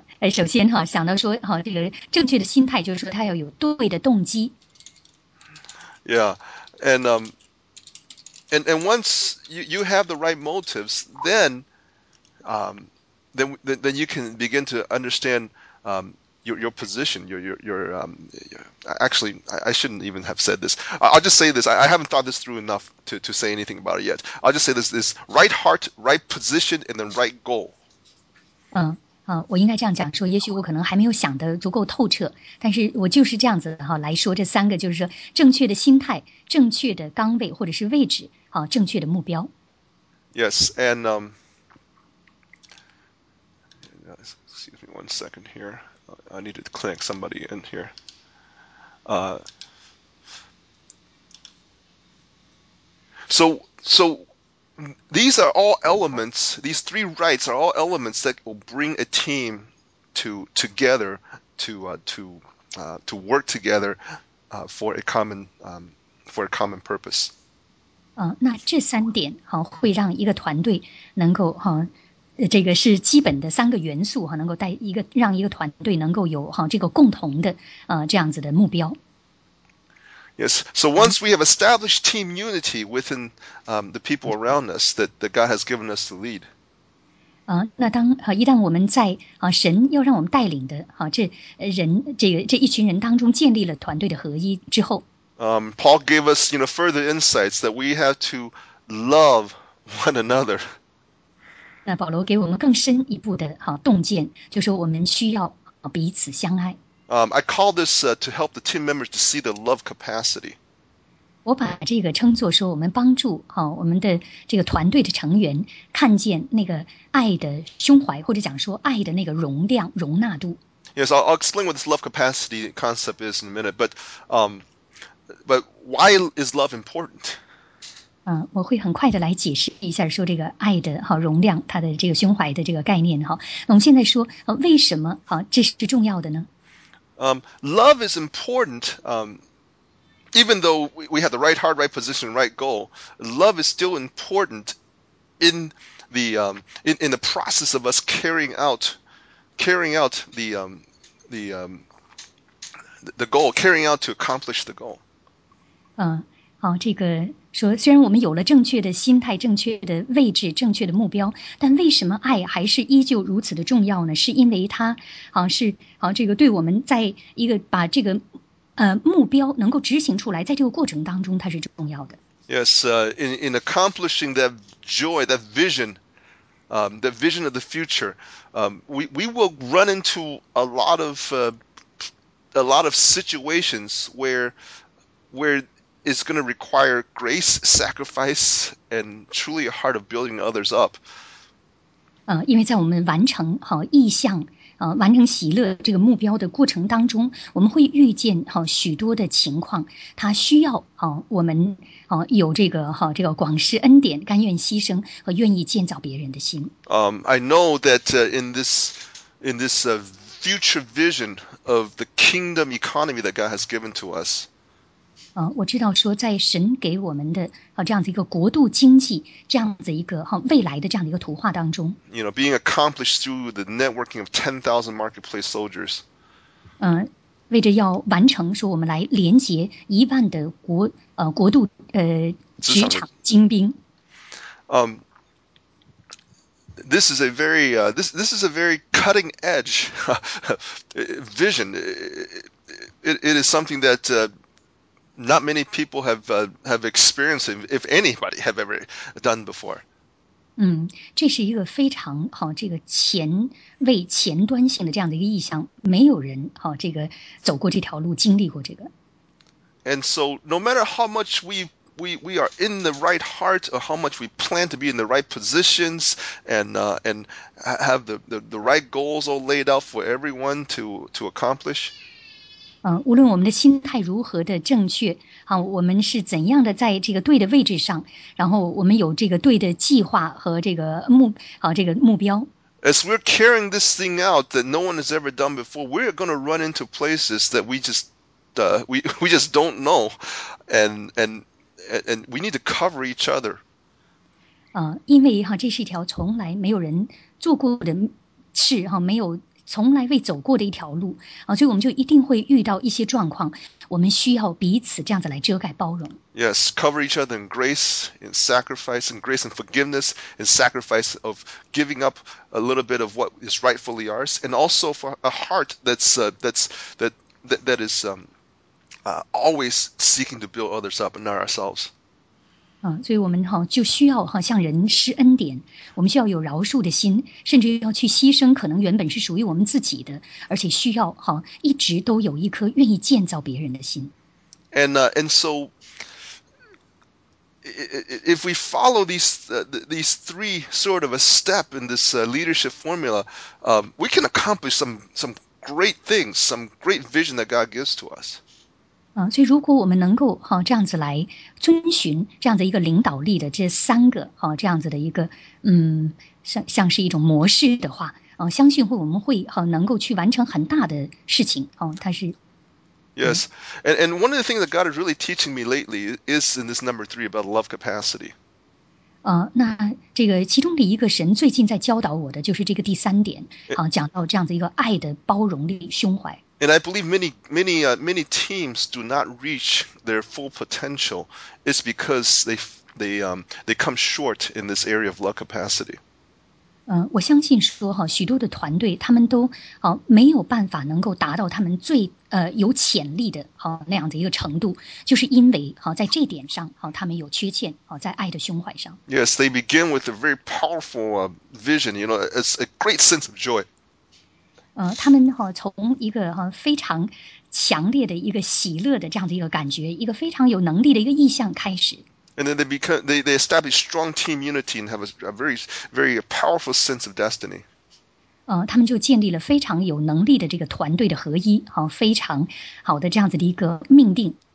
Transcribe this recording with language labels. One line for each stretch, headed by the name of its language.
Chinese: 首先想到说这个正确的心态，就是说他要有对的动机。
English: Yeah, and once you have the right motives, then you can begin to understand your position, actually, I shouldn't even have said this. I'll just say this. I haven't thought this through enough to say anything about it yet. I'll just say this right heart, right position, and then right goal.
Chinese: 我应该这样讲说，也许我可能还没有想得足够透彻，但是我就是这样子哈来说这三个，就是说正确的心态、正确的岗位或者是位置，好，正确的目标。
English: Yes, and excuse me one second here. I need to connect somebody in here. So. These are all elements, these three rights are all elements that will bring a team together, to work together for a common purpose.
Chinese: 那这三点会让一个团队能够这个是基本的三个元素能够带一个让一个团队能够有这个共同的这样子的目标。
English: Yes. So once we have established team unity within the people around us that God has given us to lead.
Chinese: 那当一旦我们在神要让我们带领的这人这一群人当中建立了团队的合一之后。
English: Paul gave us, you know, further insights that we have to love one another.
Chinese: 那保罗给我们更深一步的洞见，就是我们需要彼此相爱。
English: I call this to help the team members to see the love capacity.
Chinese: 我把这个称作说我们帮助我们的这个团队的成员看见那个爱的胸怀，或者讲说爱的那个容量容纳度。
English: Yes, I'll explain what this love capacity concept is in a minute, but why is love important?
Chinese: 我会很快的来解释一下说这个爱的容量它的这个胸怀的这个概念哈。那我们现在说为什么这是重要的呢？
English: Love is important, even though we have the right heart, right position, right goal, love is still important in the process of us carrying out the goal, carrying out to accomplish the goal.
Chinese: 这个说虽然我们有了正确的心态、正确的位置、正确的目标，但为什么爱还是依旧如此的重要呢？是因为它这个对我们在一个把这个目标能够执行出来，在这个过程当中它是重要的。
English: Yes, in accomplishing that joy, that vision, the vision of the future, we will run into a lot of situations where it's going to require grace, sacrifice, and truly a heart of building others up.
Chinese: 因为在我们完成意向完成喜乐这个目标的过程当中，我们会遇见许多的情况，它需要我们有这个这个广施恩典、甘愿牺牲和愿意建造别人的心。
English: I know that in this future vision of the kingdom economy that God has given to us.
Chinese: 我知道说在神给我们的这样子一个国度经济这样子一个未来的这样的一个图画当中。
English: You know, being accomplished through the networking of 10,000 marketplace soldiers.
Chinese: 为着要完成说我们来连接一万的国度职场精兵。
English: This is a very, this is a very cutting edge vision. It is something that, not many people have experienced, if anybody have ever done before.
Chinese: 这是一个非常这个前卫前端性的这样的一个意向，没有人这个走过这条路，经历过这个。
English: And so, no matter how much we are in the right heart, or how much we plan to be in the right positions, and have the right goals all laid out for everyone to accomplish.
Chinese: 无论我们的心态如何的正确我们是怎样的在这个对的位置上，然后我们有这个对的计划和这个目标。
English: As we're carrying this thing out that no one has ever done before, we're going to run into places that we just don't know, and we need to cover each other.
Chinese: 因为这是一条从来没有人做过的事没有从来未走过的一条路啊，所以我们就一定会遇到一些状况，我们需要彼此这样子来遮盖包容。
English: Yes, cover each other in grace, in sacrifice, in grace and forgiveness, in sacrifice of giving up a little bit of what is rightfully ours, and also for a heart that is always seeking to build others up and not ourselves.
Chinese: 啊，所以我们哈就需要哈向人施恩典，我们需要有饶恕的心，甚至要去牺牲可能原本是属于我们自己的，而且需要哈一直都有一颗愿意建造别人的心。
English: And so, if we follow these three sort of a step in this leadership formula, we can accomplish some great things, some great vision that God gives to us.
Chinese: 啊，所以如果我们能够哈这样子来遵循这样的一个领导力的这三个哈这样子的一个像是一种模式的话，啊，相信会我们会哈能够去完成很大的事情哦，它是。
English: Yes, and one of the things that God is really teaching me lately is in this number three about love capacity.
Chinese: 那这个其中的一个神最近在教导我的就是这个第三点，讲到这样子一个爱的包容力胸怀。
English: And I believe many teams do not reach their full potential. It's because they come short in this area of love capacity.
Chinese: 我相信说哈，许多的团队他们都没有办法能够达到他们最有潜力的那样的一个程度，就是因为在这点上他们有缺陷在爱的胸怀上。
English: Yes, they begin with a very powerful vision. You know, it's a great sense of joy.
Chinese: 他们从一个非常强烈的一个喜乐的这样的一个感觉，一个非常有能力的一个意向开始。
English: And then they establish strong team unity and have a very, very powerful sense of destiny.
Chinese: 他们就建立了非常有能力的这个团队的合一，非常好的这样子的一个命定。